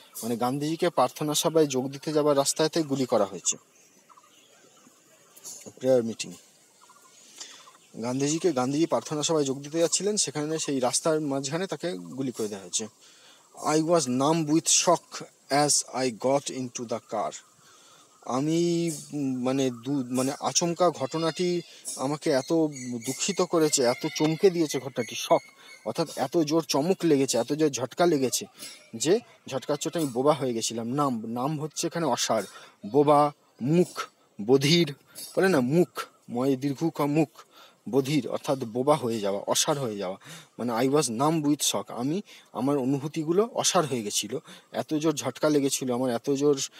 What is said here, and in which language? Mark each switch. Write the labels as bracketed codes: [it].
[bn] মানে গান্ধীজিকে প্রার্থনা সভায় যোগ দিতে যাওয়ার রাস্তাতে গুলি করা হয়েছে, প্রেয়ার মিটিং। গান্ধীজি প্রার্থনা সভায় যোগ দিতে যাচ্ছিলেন, সেখানে সেই রাস্তার মাঝখানে তাকে গুলি করে দেওয়া হয়েছে। [en] I was numb with shock as I got into the car. [bn] আমি মানে মানে আচমকা ঘটনাটি আমাকে এত দুঃখিত করেছে, এত চমকে দিয়েছে ঘটনাটি, শক, অর্থাৎ এত জোর চমক লেগেছে, এত জোর ঝটকা লেগেছে যে ঝটকার চোটে আমি বোবা হয়ে গেছিলাম। নাম নাম হচ্ছে এখানে অসার, বোবা, মুখ, বধির, বলে না মুখ, ময় দীর্ঘ কা মুখ, বধির অর্থাৎ বোবা হয়ে যাওয়া, অসার হয়ে যাওয়া, মানে [en] I was numb with shock, [bn] আমি আমার অনুভূতিগুলো অসার হয়ে গেছিলো, এত জোর ঝটকা লেগেছিলো আমার, এত জোর